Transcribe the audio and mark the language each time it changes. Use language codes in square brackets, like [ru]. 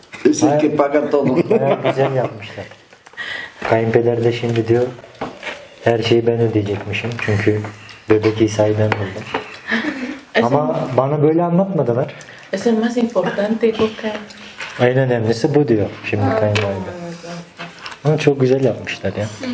[es] Es el que paga todo. [tr] Güzel yapmışlar. Kayınpeder de şimdi diyor her şeyi ben ödeyecekmişim. Çünkü bebek İsa'yı ben buldum. Ama bana böyle anlatmadılar. [es] Es el más importante, Coca. [tr] En önemlisi bu diyor şimdi kayınpeder. Ama çok güzel yapmışlar ya.